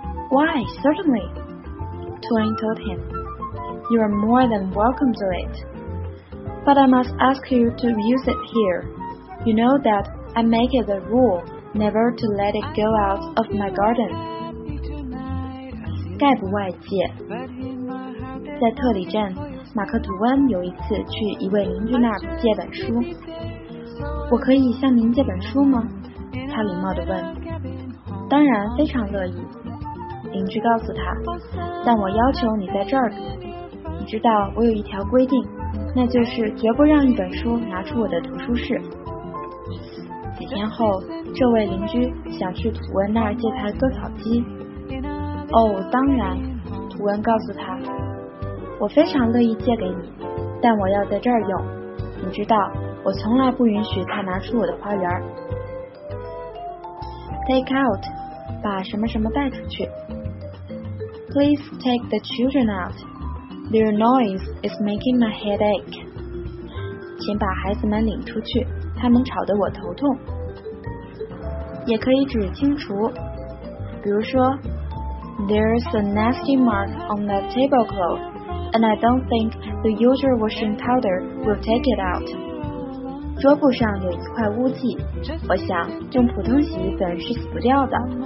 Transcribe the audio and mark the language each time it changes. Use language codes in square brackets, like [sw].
[en] Why, certainly, Twain told him. You are more than welcome to it. But I must ask you to use it here. You know that I make it a rule never to let it go out of my garden. [zh] 概不外借。在特里镇，马克吐温有一次去一位邻居那儿借本书。我可以向您借本书吗？他礼貌地问。当然，非常乐意，邻居告诉他。但我要求你在这儿读。你知道我有一条规定，那就是绝不让一本书拿出我的图书室。几天后，这位邻居想去土温那儿借台割草机。哦，当然，土温告诉他，我非常乐意借给你，但我要在这儿用。你知道，我从来不允许他拿出我的花园。 Take out， 把什么什么带出去。 [en] Please take the children out. Their noise is making my headache. [zh] 请把孩子们领出去，他们吵得我头痛。也可以指清除，比如说 [en] There's a nasty mark on the tablecloth, and I don't think the usual washing powder will take it out. [zh] 桌布上有一块污迹，我想用普通洗衣粉是洗不掉的。